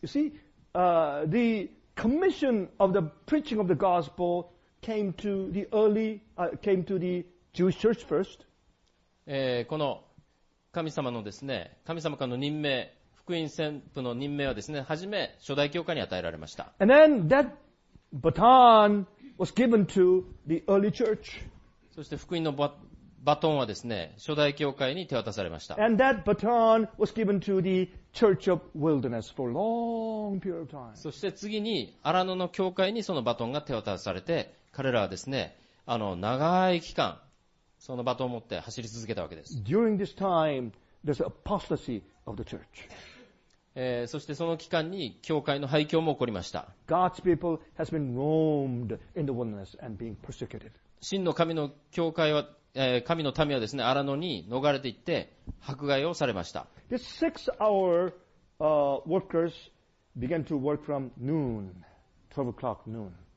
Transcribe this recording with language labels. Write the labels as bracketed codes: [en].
[en] You see, the commission of the preaching of the gospel came to the early, came to the Jewish church first. [ja] この神様のですね、神様からの任命、福音宣布の任命はですね、はじめ初代教会に与えられました。 [en] And then that baton was given to the early church. [ja] そして福音のバトンはですね、初代教会に手渡されました。 [en] And that baton was given to the Church of Wilderness for long period of time. [ja] そして次に、荒野の教会にそのバトンが手渡されて、彼らはですね、長い期間、そのバトンを持って走り続けたわけです。 [en] During this time, there's apostasy of the church. [ja] そしてその期間に、教会の廃墟も起こりました。 [en] God's people has been roamed in the wilderness and being persecuted. [ja] 真の神の教会は、神の民はですね、荒野に逃れていって、迫害をされました。 [en] This six-hour workers began to work from noon, 12 o'clock noon.